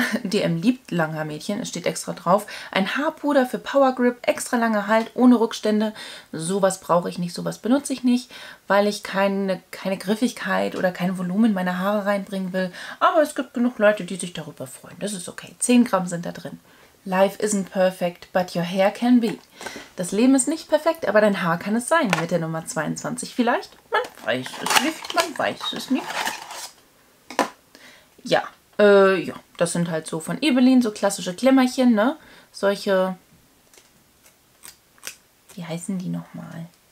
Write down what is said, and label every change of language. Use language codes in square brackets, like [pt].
[de] DM liebt Langhaarmädchen, es steht extra drauf. Ein Haarpuder für Powergrip, extra lange Halt, ohne Rückstände. Sowas brauche ich nicht, sowas benutze ich nicht, weil ich keine Griffigkeit oder kein Volumen in meine Haare reinbringen will. Aber es gibt genug Leute, die sich darüber freuen. Das ist okay. 10 Gramm sind da drin. [en] Life isn't perfect, but your hair can be. [de] Das Leben ist nicht perfekt, aber dein Haar kann es sein. Mit der Nummer 22 vielleicht? Man weiß es nicht, man weiß es nicht. Ja, das sind halt so von Ebeline, so klassische Klemmerchen, ne? Solche, wie heißen die nochmal?